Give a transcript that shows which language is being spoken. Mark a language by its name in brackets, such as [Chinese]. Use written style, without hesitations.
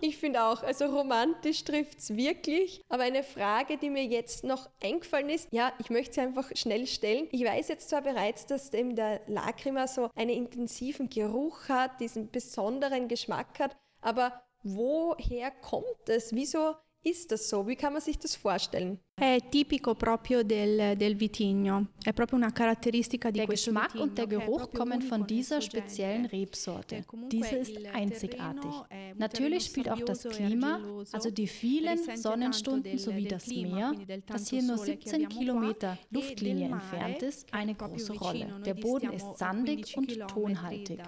[German] Ich finde auch, also romantisch trifft es wirklich. Aber eine Frage, die mir jetzt noch eingefallen ist, ja, ich möchte sie einfach schnell stellen. Ich weiß jetzt zwar bereits, dass eben der Lacrima so einen intensiven Geruch hat, diesen besonderen Geschmack hat, aber woher kommt es? Wieso ist das so? Wie kann man sich das vorstellen? [Italian] È tipico proprio del vitigno. È proprio una caratteristica di questo vitigno. [German] Der Geschmack und der Geruch kommen von dieser speziellen Rebsorte. Diese ist einzigartig. Natürlich spielt auch das Klima, also die vielen Sonnenstunden sowie das Meer, das hier nur 17 Kilometer Luftlinie entfernt ist, eine große Rolle. Der Boden ist sandig und tonhaltig.